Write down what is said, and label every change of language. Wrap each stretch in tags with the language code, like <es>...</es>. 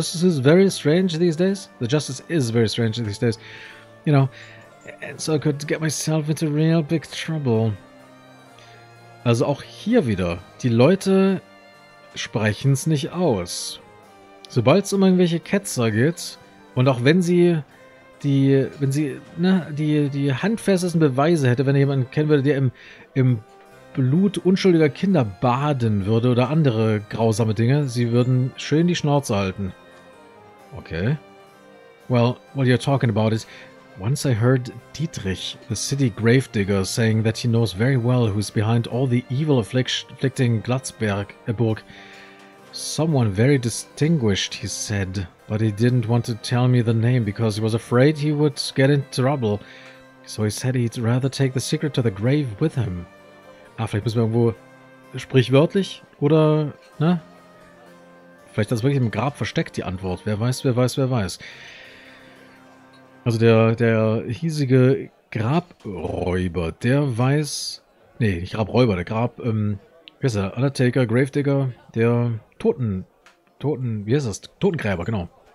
<en>Justice is very strange these days, you know, and so I could get myself into real big trouble.</en> <de>Also auch hier wieder, die Leute sprechen es nicht aus. Sobald es um irgendwelche Ketzer geht und auch wenn sie die handfestesten Beweise hätte, wenn jemand kennen würde, der im Blut unschuldiger Kinder baden würde oder andere grausame Dinge, sie würden schön die Schnauze halten.</de> <en>Okay. Well, what you're talking about is, once I heard Dietrich, the city gravedigger, saying that he knows very well who's behind all the evil afflicting Glatzberg, a Burg. Someone very distinguished, he said, but he didn't want to tell me the name because he was afraid he would get in trouble. So he said he'd rather take the secret to the grave with him.</en> <de>Ah, vielleicht müssen wir irgendwo sprichwörtlich oder, ne? Vielleicht hat es wirklich im Grab versteckt, die Antwort. Wer weiß. Also der hiesige Grabräuber, der weiß, nee, nicht Grabräuber, der Grab, wie heißt er, Undertaker, Gravedigger, der Totengräber, genau.</de>